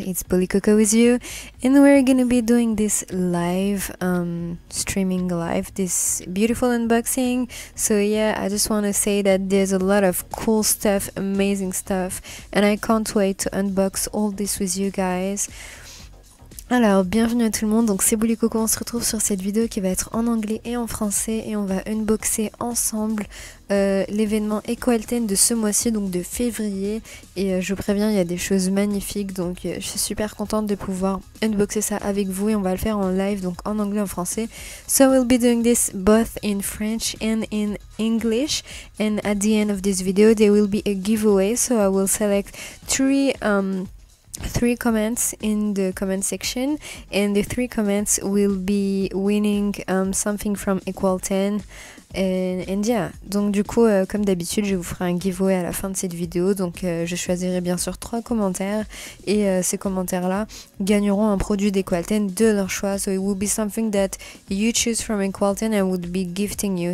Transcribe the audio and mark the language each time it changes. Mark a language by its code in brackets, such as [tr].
[en] It's Bully Coco with you, and we're gonna be doing this live, streaming live, this beautiful unboxing. So yeah, I just wanna say that there's a lot of cool stuff, amazing stuff, and I can't wait to unbox all this with you guys. [fr] Alors, bienvenue à tout le monde, donc c'est Bully Coco, on se retrouve sur cette vidéo qui va être en anglais et en français et on va unboxer ensemble l'événement Equal10 de ce mois-ci, donc de février, et je vous préviens, il y a des choses magnifiques, donc je suis super contente de pouvoir unboxer ça avec vous et on va le faire en live, donc en anglais et en français. [en] So we'll be doing this both in French and in English, and at the end of this video there will be a giveaway, so I will select three comments in the comment section, and the three comments will be winning something from Equal10. And yeah, [fr] donc du coup, comme d'habitude, je vous ferai un giveaway à la fin de cette vidéo. Donc je choisirai bien sûr trois commentaires, et ces commentaires là gagneront un produit d'Equal10 de leur choix. [en] So it will be something that you choose from Equal10 and would be gifting you.